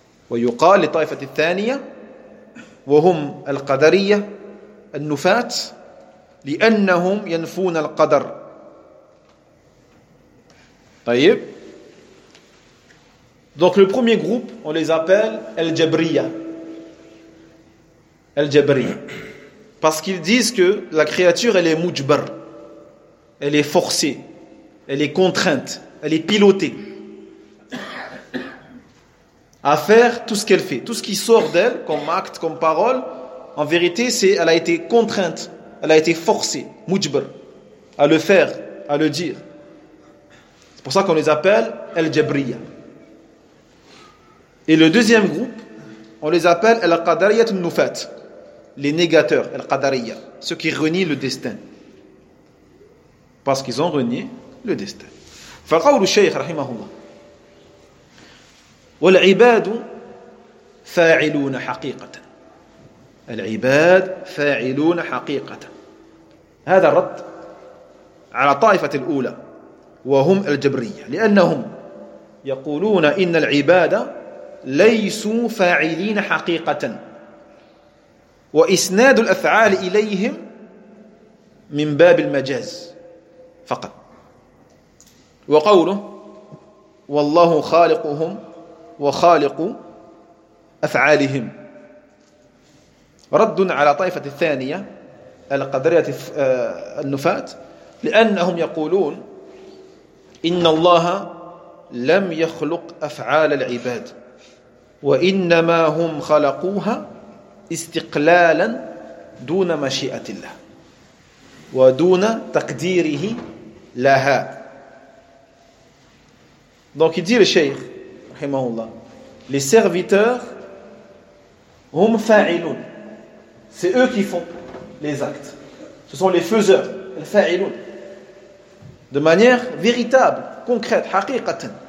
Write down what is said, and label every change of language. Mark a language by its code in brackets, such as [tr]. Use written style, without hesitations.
[ar] ويقال لطائفة الثانية وهم القدرية النفاة لأنهم ينفون القدر. طيب. [fr] Donc le premier groupe, on les appelle al-jabriya. Al-jabriya. Parce qu'ils disent que la créature, elle est mujbar. Elle est forcée. Elle est contrainte. Elle est pilotée à faire tout ce qu'elle fait. Tout ce qui sort d'elle, comme acte, comme parole, en vérité, c'est elle a été contrainte, elle a été forcée, mujbar, à le faire, à le dire. C'est pour ça qu'on les appelle al-jabriya. Et le deuxième groupe, on les appelle al-qadariyat al-nufat, les négateurs, al-qadariya, ceux qui renient le destin. Parce qu'ils ont renié le destin. [ar] Faqawlu shaykh, rahimahullah, والعباد فاعلون حقيقة. العباد فاعلون حقيقة. هذا الرد على طائفة الأولى وهم الجبرية، لأنهم يقولون إن العباد ليسوا فاعلين حقيقة، وإسناد الأفعال إليهم من باب المجاز فقط. وقوله والله خالقهم وخالق أفعالهم رد على طائفة الثانية القدرية النفاة، لأنهم يقولون إن الله لم يخلق أفعال العباد وإنما هم خلقوها استقلالا دون مشيئة الله ودون تقديره لها. [fr] Donc il dit le cheikh, rahimahullah, les serviteurs, [ar] hum fa'ilun, [fr] c'est eux qui font les actes. Ce sont les faiseurs, les fa'ilun, de manière véritable, concrète, haqiqatan.